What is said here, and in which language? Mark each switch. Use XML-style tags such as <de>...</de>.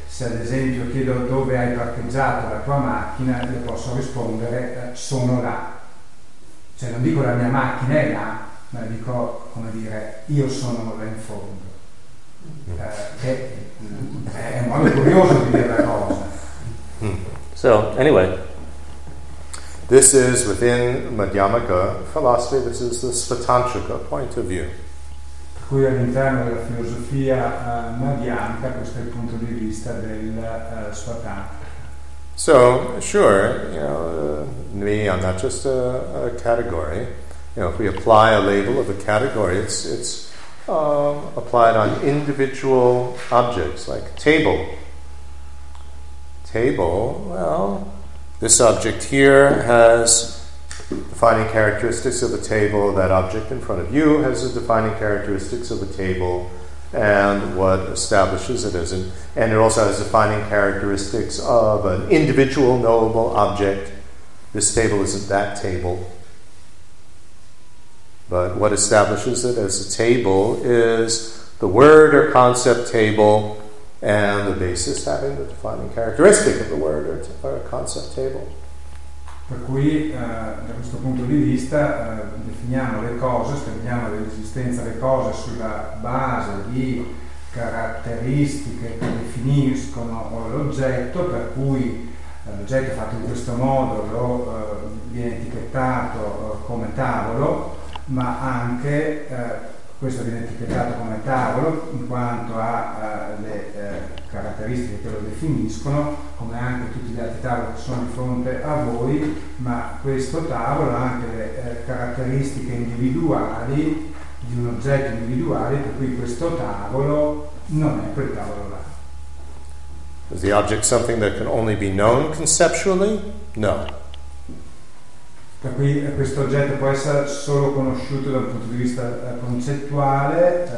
<it>Se ad esempio chiedo dove hai parcheggiato la tua macchina, le posso rispondere sono là. Cioè non dico la mia macchina è là, ma dico, come dire, io sono là in fondo. È un modo curioso di dire la cosa.</it> <en>So, anyway, this is within Madhyamaka philosophy, this is the Svatantrika point of view.</en> <it>Per cui all'interno della filosofia Madhyamaka, questo è il punto di vista del Svatantrika.</it> <en>So, sure, you know, me, I'm not just a category. You know, if we apply a label of a category, it's applied on individual objects, like table. Table, well, this object here has defining characteristics of a table, that object in front of you has the defining characteristics of a table, and what establishes it as an, and it also has defining characteristics of an individual knowable object. This table isn't that table. But what establishes it as a table is the word or concept table, and the basis having the defining characteristic of the word or concept table.</en> <it>Per cui, da questo punto di vista, definiamo le cose, stabiliamo l'esistenza delle cose sulla base di caratteristiche che definiscono l'oggetto, per cui l'oggetto fatto in questo modo viene etichettato come tavolo, ma anche questo viene etichettato come tavolo in quanto ha le caratteristiche che lo definiscono, come anche tutti gli altri tavoli che sono di fronte a voi, ma questo tavolo ha anche le caratteristiche individuali di un oggetto individuale, per cui questo tavolo non è quel tavolo là.</it> <en>Is the object something that can only be known conceptually? No.</en> <it>Per cui questo oggetto può essere solo conosciuto dal punto di vista concettuale?</it>